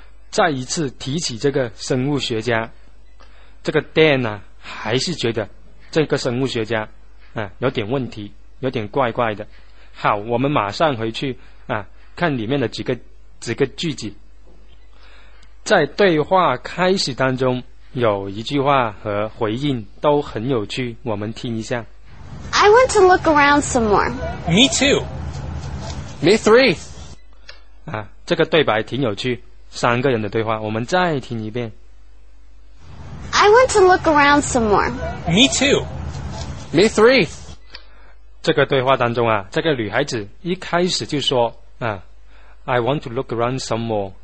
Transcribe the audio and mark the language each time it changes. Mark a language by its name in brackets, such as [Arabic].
[Chinese] 再一次提起这个生物学家，这个 Dan 呢，啊，还是觉得这个生物学家啊有点问题，有点怪怪的。好，我们马上回去啊，看里面的几个句子。在对话开始当中，有一句话和回应都很有趣，我们听一下。 [English] I want to look around some more. Me too. Me three. [Chinese] 啊，这个对白挺有趣。三个人的对话，我们再听一遍。 [English] I want to look around some more. Me too. Me three. [Chinese] 这个对话当中啊，这个女孩子一开始就说啊 ， [English] I want to look around some more.